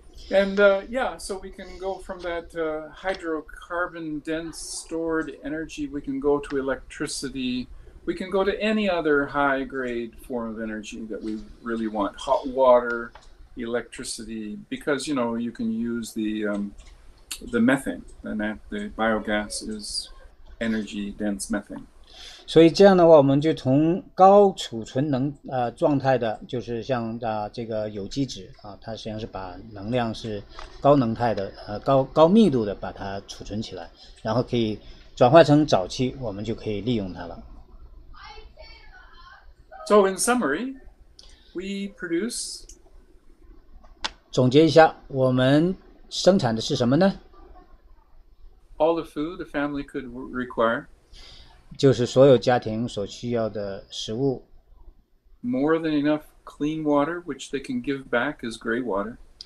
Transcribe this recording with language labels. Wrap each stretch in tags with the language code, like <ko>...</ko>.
<en>And so we can go from that hydrocarbon dense stored energy, we can go to electricity, we can go to any other high grade form of energy that we really want, hot water, electricity, because, you know, you can use the methane, and that the biogas is energy dense methane.</en> <zh>所以这样的话，我们就从高储存能状态的，就是像这个有机质它实际上是把能量是高能态的高密度的把它储存起来，然后可以转化成沼气，我们就可以利用它了。</zh> <en>So in summary, we produce.</en> <zh>总结一下，我们生产的是什么呢</zh> <en>？All the food a family could require.</en> <zh>就是所有家庭所需要的食物。</zh> <en>More than enough clean water, which they can give back as gray water.</en>